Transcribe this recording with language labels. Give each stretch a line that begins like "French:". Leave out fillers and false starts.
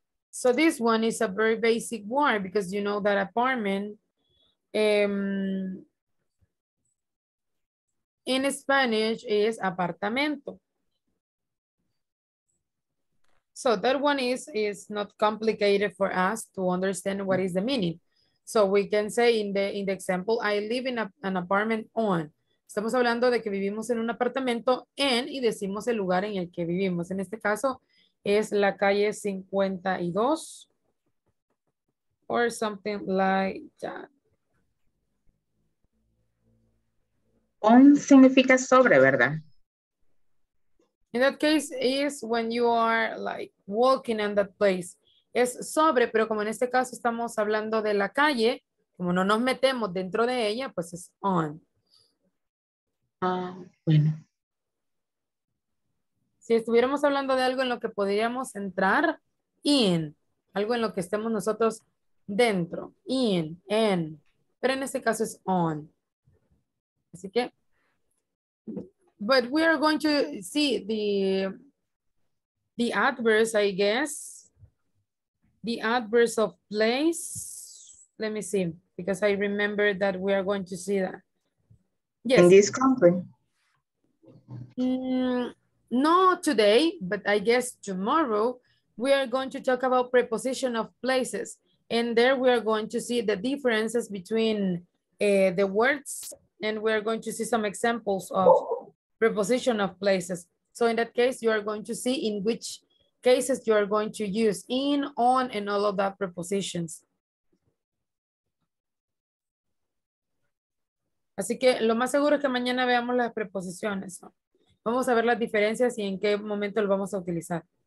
English: So this one is a very basic word because you know that apartment in Spanish is apartamento. So that one is not complicated for us to understand what is the meaning. So we can say in the example, I live in an apartment on.
Spanish: Estamos hablando de que vivimos en un apartamento en y decimos el lugar en el que vivimos. En este caso es la calle 52
English: or something like that.
Spanish: On significa sobre, ¿verdad?
English: In that case is when you are like walking in that place.
Spanish: Es sobre, pero como en este caso estamos hablando de la calle, como no nos metemos dentro de ella, pues es on. Bueno. Si estuviéramos hablando de algo en lo que podríamos entrar, in, algo en lo que estemos nosotros dentro, in, en, pero en este caso es on. Así que,
English: but we are going to see the adverbs, I guess, the adverbs of place. Let me see, because I remember that we are going to see that. Yes. In this country. Not today, but I guess tomorrow we are going to talk about preposition of places. And there we are going to see the differences between the words, and we are going to see some examples of preposition of places. So in that case, you are going to see in which cases you are going to use in, on, and all of that prepositions.
Spanish: Así que lo más seguro es que mañana veamos las preposiciones. Vamos a ver las diferencias y en qué momento lo vamos a utilizar.